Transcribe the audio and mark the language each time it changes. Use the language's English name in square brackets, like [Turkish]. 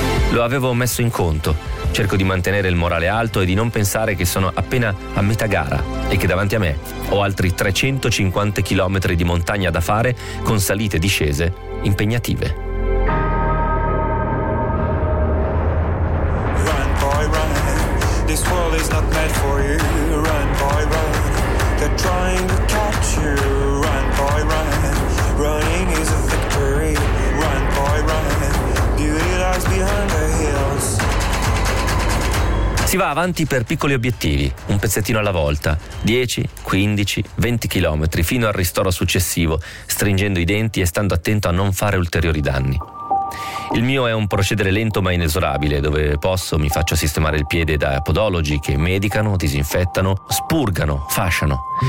[Italian] Lo avevo messo in conto. Cerco di mantenere il morale alto e di non pensare che sono appena a metà gara e che davanti a me ho altri 350 km di montagna da fare con salite e discese impegnative. [English] Run, boy, run. This world is not meant for you. Run, boy, run. They're trying to catch you. Run, boy, run. Running is a victory. Run, boy, run. Beauty lies behind the hills. [Italian] Si va avanti per piccoli obiettivi, un pezzettino alla volta, 10, 15, 20 chilometri, fino al ristoro successivo, stringendo i denti e stando attento a non fare ulteriori danni. Il mio è un procedere lento ma inesorabile, dove posso mi faccio sistemare il piede da podologi che medicano, disinfettano, spurgano, fasciano.